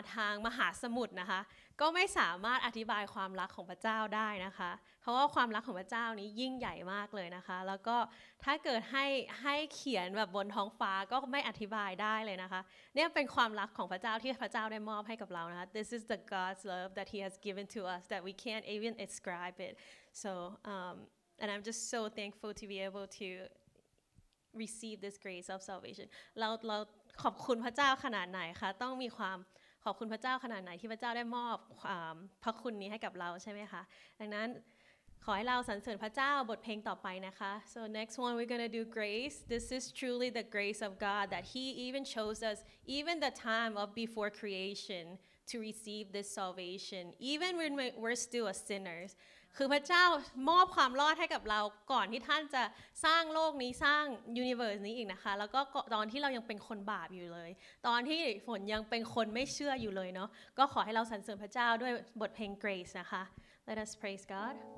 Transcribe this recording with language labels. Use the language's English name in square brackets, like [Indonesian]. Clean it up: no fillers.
[Thai] งมหาสมุทรนะคะก็ไม่สามารถอธิบายความรักของพระเจ้าได้นะคะเพราะว่าความรักของพระเจ้านี้ยิ่งใหญ่มากเลยนะคะแล้วก็ถ้าเกิดให้เขียนแบบบนท้องฟ้าก็ไม่อธิบายได้เลยนะคะเนี่ยเป็นความรักของพระเจ้าที่พระเจ้าได้มอบให้กับเรานะคะ [English] This is the God's love that He has given to us that we can't even describe it. So and I'm just so thankful to be able to receive this grace of salvation. [Thai] เราขอบคุณพระเจ้าขนาดไหนคะต้องมีความขอบคุณพระเจ้าขนาดไหนที่พระเจ้าได้มอบความพระคุณนี้ให้กับเราใช่ไหมคะดังนั้น ขอให้เราสรรเสริญพระเจ้าบทเพลงต่อไปนะคะ [English] So next one we're gonna do grace This is truly the grace of God that He even chose us even the time of before creation to receive this salvation even when we're still a sinners [Thai] คือพระเจ้ามอบความรอดให้กับเราก่อนที่ท่านจะสร้างโลกนี้สร้างยูนิเวอร์สนี้อีกนะคะแล้วก็ตอนที่เรายังเป็นคนบาปอยู่เลยตอนที่ฝนยังเป็นคนไม่เชื่ออยู่เลยเนาะก็ขอให้เราสรรเสริญพระเจ้าด้วยบทเพลง grace นะคะ [English] Let us praise God